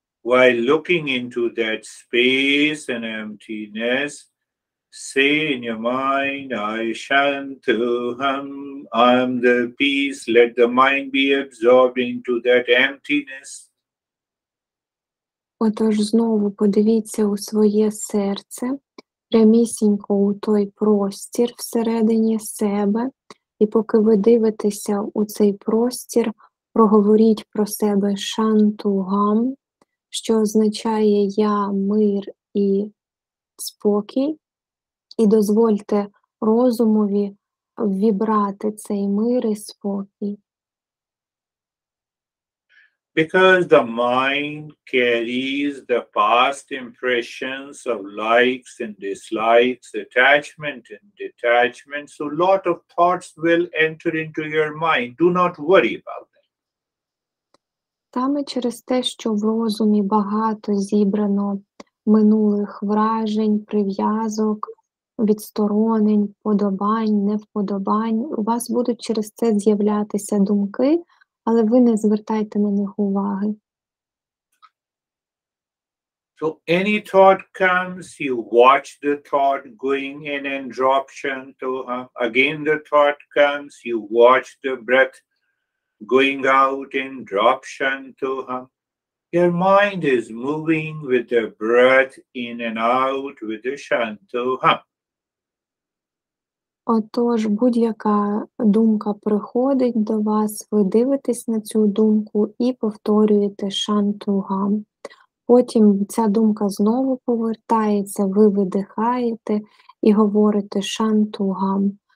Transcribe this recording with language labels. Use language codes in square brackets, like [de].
[en] while looking into that space and emptiness, say in your mind, I shantu ham, I am the peace. Let the mind be absorbed into that emptiness. [uk] Отож, знову подивіться у своє серце, прямісінько у той простір всередині себе, і поки ви дивитеся у цей простір, проговоріть про себе шанту гам, що означає «я», «мир» і «спокій», і дозвольте розумові вібрати цей мир і спокій. [en] Because the mind carries the past impressions of likes and dislikes, attachment and detachment, so a lot of thoughts will enter into your mind. Do not worry about them. [uk] Саме через те, що в розумі багато зібрано минулих вражень, прив'язок, відсторонень, вподобань, невподобань, у вас будуть через це з'являтися думки, але ви не звертайте на них уваги. [en] So any thought comes, you watch the thought going in and drop shanto. Again the thought comes, you watch the breath going out and drop shanto. Your mind is moving with the breath in and out with the shanto. [uk] Отож, будь-яка думка приходить до вас, ви дивитесь на цю думку і повторюєте шантугам. Потім ця думка знову повертається, ви видихаєте і говорите шантугам.